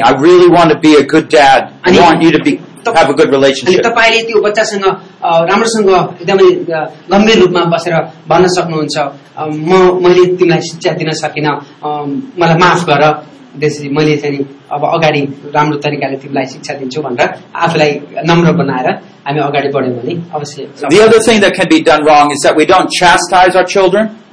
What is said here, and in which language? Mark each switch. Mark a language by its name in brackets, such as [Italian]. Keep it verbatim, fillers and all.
[English] I really want to be a good dad. I want you to be have a good relationship. [Nepali] तपाईले त्यो बच्चासँग राम्रोसँग एकदमै गम्भीर रूपमा बसेर भन्न सक्नुहुन्छ, म मैले तिमीलाई शिक्षा दिन सकिन, मलाई माफ गर, त्यसरी मैले चाहिँ अब अगाडि राम्रो तरिकाले तिमीलाई शिक्षा दिन्छु भनेर आफूलाई नम्र बनाएर हामी अगाडि बढ्यौं भने अवश्य। [English] The other thing that can be done wrong is that we don't chastise our children.